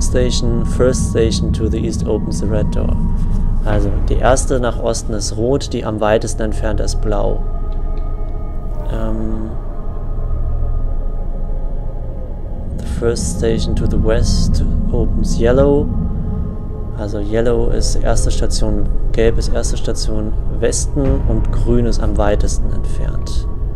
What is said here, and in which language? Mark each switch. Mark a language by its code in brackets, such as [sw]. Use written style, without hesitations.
[en] This station to the east opens the red door. [de] Also, die erste nach Osten ist rot, die am weitesten entfernt ist blau. [en] The first station to the west opens yellow. [de] Also, yellow ist erste Station, gelb ist erste Station Westen und grün ist am weitesten entfernt.